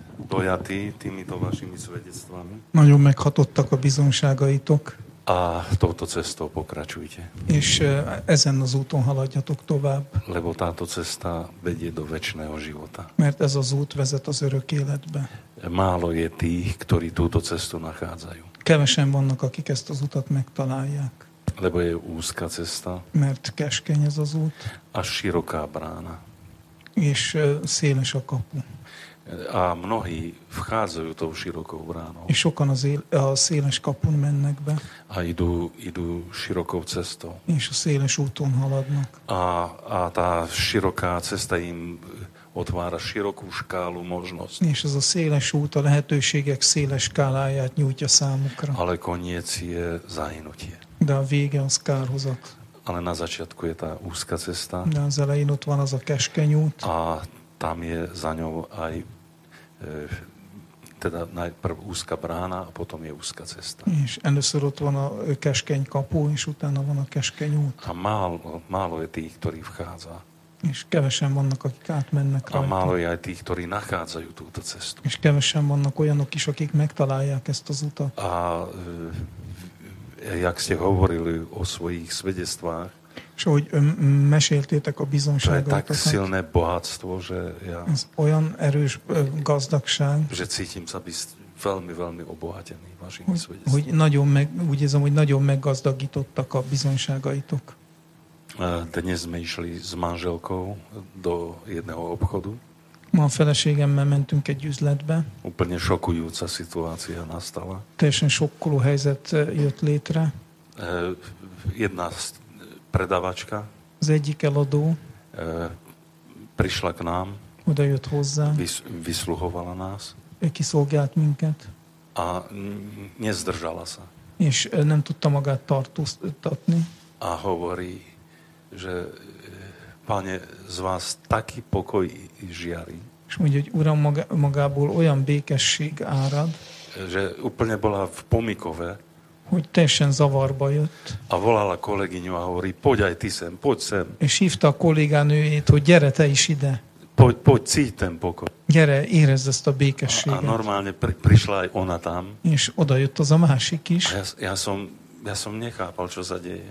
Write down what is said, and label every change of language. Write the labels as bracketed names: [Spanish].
[Slovak] Dojá ti, týmito vašimi svedectvami. [Hungarian] Nagyon meghatottak a bizonságaitok. [Slovak] A touto cestou pokračujte. [Hungarian] És ezen az úton haladjatok tovább. [Slovak] Lebo táto cesta vedie do večného života. [Hungarian] Mert ez az út vezet az örök életbe. [Slovak] Málo je tých, ktorí túto cestu nachádzajú. [Hungarian] Kevesen vannak, akik ezt az utat megtalálják. [Slovak] Lebo je úzka cesta. [Hungarian] Mert keskeny ez az út. [Slovak] A široká brána. [Hungarian] És széles a kapu. [Slovak] A mnohí vchádzajú tou širokou bránou. [Hungarian] És sokan a széles kapun mennek be. [Slovak] A idú širokou cestou. [Hungarian] És a széles úton haladnak. [Slovak] A tá široká cesta im otvára širokú škálu možností. [Hungarian] És ez a széles út a lehetőségek széles skáláját nyújtja számukra. [Slovak] Ale koniec je zahynutie. [Hungarian] De a vége az kárhozat. [Slovak] Ale na začiatku je tá úzka cesta. [Hungarian] De az elején ott van az a keskeny út. [Slovak] A tam je za ňou aj teda najprv úzka brána a potom je úzka cesta. [Hungarian] És először ott van a keskeny kapu, és utána van a keskeny út. [Slovak] A málo je tých, ktorí vchádza. [Hungarian] És kevesen vannak, akik átmennek rajta. [Slovak] A málo je aj tých, ktorí nachádzajú túto cestu. [Hungarian] És kevesen vannak olyanok is, akik megtalálják ezt az utat. [Slovak] A jak ste hovorili o svojich svedectvách, [Hungarian] és ahogy meséltétek a bizonságot. [Slovak] To je tak silné bohatstvo, že ja... [Hungarian] Ez olyan erős gazdagság. [Slovak] Že cítim sa byť veľmi, veľmi obohatený vašimi svedectvami. [Hungarian] Hogy nagyon úgy érzem, hogy nagyon meggazdagítottak a bizonságaitok. [Slovak] Dnes sme išli s manželkou do jedného obchodu. [Hungarian] Ma a feleségemmel mentünk egy üzletbe. [Slovak] Úplne šokujúca situácia nastala. [Hungarian] Teljesen šokkoló helyzet jött létre. [Slovak] Jedna predavačka. [Hungarian] Z egyik eladó. [Slovak] Prišla k nám. [Hungarian] odajött hozzánk. [Slovak] Vysluhovala nás. [Hungarian] Kiszolgált minket. [Slovak] A nezdržala sa. [Hungarian] És nem tudta magát tartóztatni. [Slovak] A hovorí, že Pane, z vás taký pokoj žiari. [Hungarian] És mondja, hogy Uram, magából olyan békesség árad, [Slovak] že úplne bola v pomikove, [Hungarian] hogy teljesen zavarba jött. [Slovak] A volala kolegyňu a hovorí, poď aj ty sem, poď sem. [Hungarian] És hívta a kolléganőjét, hogy gyere te is ide. [Slovak] Poď cíť ten pokoj. [Hungarian] Gyere, érezd ezt a békességet. [Slovak] A normálne prišla aj ona tam. [Hungarian] És odajött az a másik is. [Slovak] A ja som nechápal, čo sa deje.